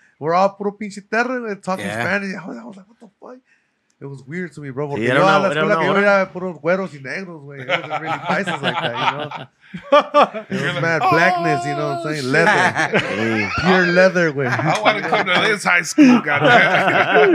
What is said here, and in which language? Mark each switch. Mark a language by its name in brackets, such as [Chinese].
[English] We're all [Spanish] puro pinche terre, [English] talking Spanish. I was like, what the fuck? It was weird to me, bro. [Spanish] Porque yo a la escuela que yo era puros güeros y negros, güey. [English] It wasn't really paisas like that, you know? It was mad blackness, you know what I'm saying? Leather. Pure leather, güey. I want to come to this high school, goddamn.